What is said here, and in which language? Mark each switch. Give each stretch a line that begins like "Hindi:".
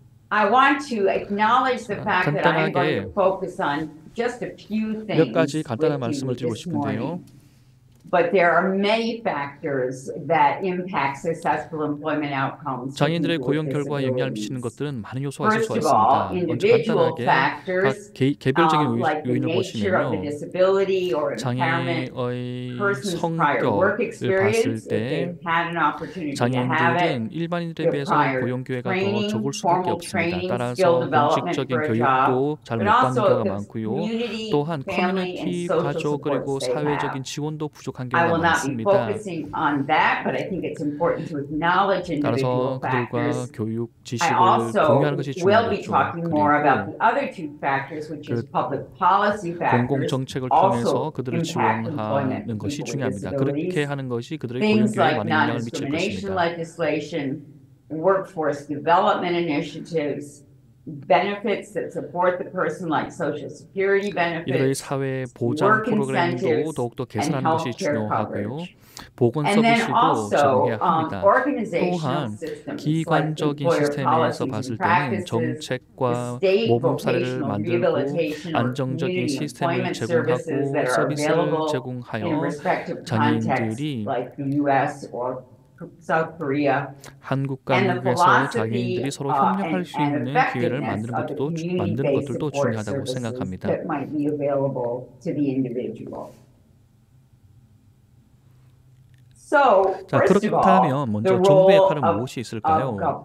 English: I want to acknowledge the fact that I'm going to focus on just a few things.
Korean: 몇 가지 간단한 말씀을 드리고 싶은데요.
English: But there are many factors that impact successful employment outcomes.
Korean: 장애인들의 고용 결과에 영향을 미치는 것들은 많은 요소가 있을 수 있습니다. 먼저 간단하게 개별적인 요인을 보시면요, 장애인의 성격을 봤을 때 장애인들은 일반인들에 비해서 고용 기회가 더 적을 수밖에 없습니다. 따라서 공식적인 교육도 잘 못 받는 경우가 많고요. 또한 커뮤니티, 가족 그리고 사회적인 지원도 부족합니다.
English: I will not be focusing on that, but I think it's important to acknowledge individual factors. I also will be talking more about the other two factors, which is public policy factors, also impact employment for people with disabilities. Things like non-discrimination legislation, workforce development initiatives, benefits that support the person like social security benefits, work incentives, and healthcare coverage. And then also organizational systems like employer policies and practices, state vocational rehabilitation, or community employment services that are available in respective contexts like the U.S. or South Korea,
Korean: 한국과 미국에서 장애인들이 서로 협력할 수 있는 기회를 만드는 것도 중요하다고 생각합니다. 자, 그렇다면 먼저 정부의 역할은 무엇이 있을까요?